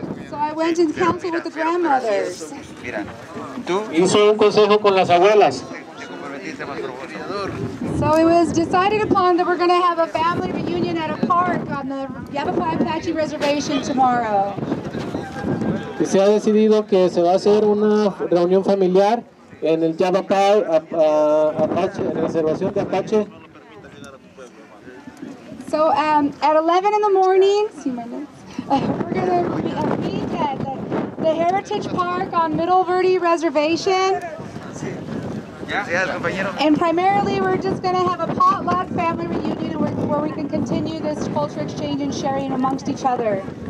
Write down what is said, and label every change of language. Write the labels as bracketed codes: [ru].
[en] So I went and counseled with the grandmothers. [es] Hizo un consejo con las abuelas. [en] So it was decided upon that we're going to have a family reunion at a park on Yavapai Apache Reservation tomorrow. [es] Y se ha decidido que se va a hacer una reunión familiar en el Yavapai Apache, en la reservación de Apache. [en] So at 11 in the morning, see my notes, we're going to meet at the Heritage Park on Middle Verde Reservation. And primarily, we're just going to have a potluck family reunion where we can continue this culture exchange and sharing amongst each other.